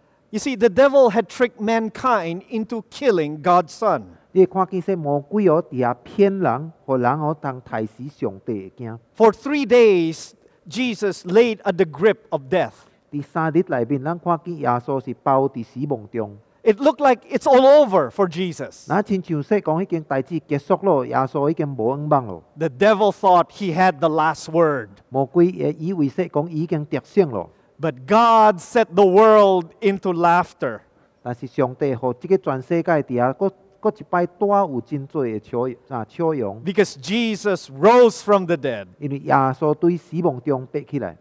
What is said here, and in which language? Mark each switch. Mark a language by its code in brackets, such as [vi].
[en] You see, the devil had tricked mankind into killing God's son. [nan] 你看见说魔鬼哦，底下骗人，互人哦当杀死上帝的惊。 [en] For 3 days, Jesus laid at the grip of death. [nan] 第三日内面，咱看见耶稣是包伫死亡中。 [en] It looked like it's all over for Jesus. The devil thought he had the last word. But God set the world into laughter. Because Jesus rose from the dead.